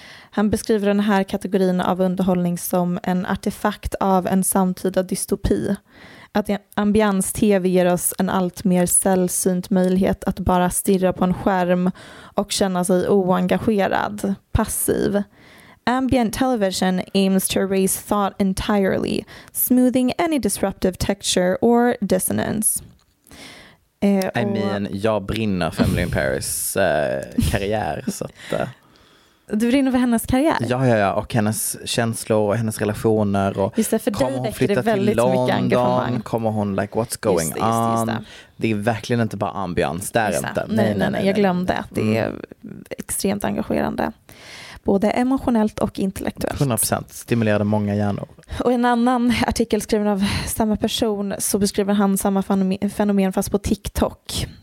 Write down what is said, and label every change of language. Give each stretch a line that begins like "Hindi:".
Swedish: Han beskriver den här kategorin av underhållning som en artefakt av en samtida dystopi. Att ambiance-tv ger oss en allt mer sällsynt möjlighet att bara stirra på en skärm och känna sig oengagerad, passiv.
English: Ambient television aims to erase thought entirely, smoothing any disruptive texture or dissonance. I mean,
Swedish: jag brinner för Emily in Paris karriär, så att... Du brinner för hennes karriär? Ja. Och hennes känslor och hennes relationer. Och just det, för dig väcker det väldigt mycket engagemang. Kommer hon,
English: like, what's going on?
Swedish: Det är verkligen inte bara ambiance, det är inte. Nej. Jag glömde att det är extremt engagerande. Både emotionellt och intellektuellt. 100%, stimulerade många hjärnor. Och en annan artikel skriven av samma person så beskriver han samma fenomen fast på TikTok.